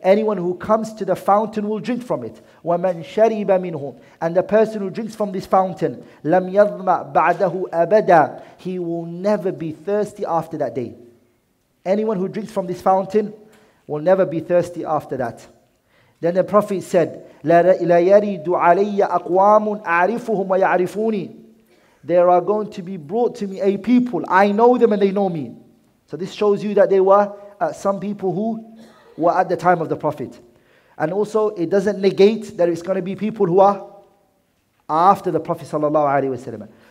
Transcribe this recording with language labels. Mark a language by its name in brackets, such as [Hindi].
[English] Anyone who comes to the fountain will drink from it. [Arabic] Wa man shariba minhu. [English] And the person who drinks from this fountain, [Arabic] lam yadhma ba'dahu abada. [English] He will never be thirsty after that day. Anyone who drinks from this fountain will never be thirsty after that. Then the Prophet said, [Arabic] لا يريد علي أقوام أعرفهم ويعرفوني. [English] There are going to be brought to me a people. I know them and they know me. So this shows you that they were some people who were at the time of the Prophet. And also it doesn't negate that it's going to be people who are after the Prophet sallallahu alaihi wasallam.